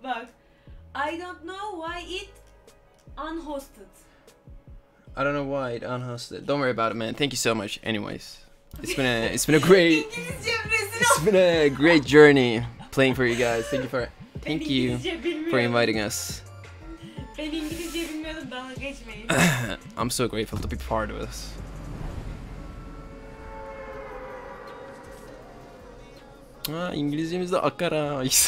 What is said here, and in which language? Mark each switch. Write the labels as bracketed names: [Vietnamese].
[English] Bak. I don't know why it unhosted. I don't know why it unhosted. Don't worry about it, man. Thank you so much. Anyways, it's been a great it's been a great journey playing for you guys. Thank you for for inviting us. [Turkish] Ben İngilizce bilmiyordum, dalga geçmeyin. [English] I'm so grateful to be part of this. [Turkish] Ah, İngilizcemiz de akar ha.